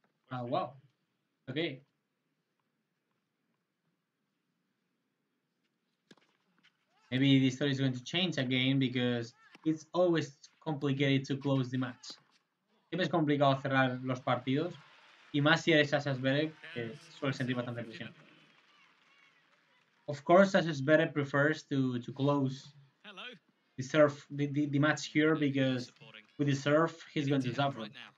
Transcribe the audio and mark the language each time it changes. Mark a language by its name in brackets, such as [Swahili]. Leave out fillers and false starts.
[English] Wow. Okay. Maybe the story is going to change again because it's always complicated to close the match. [Spanish] Siempre es complicado cerrar los partidos. Y más si eres Sasha Zverev, que suele sentir bastante presión. [English] Of course, Sasha Zverev prefers to close the match here because with the serve, he's going to suffer.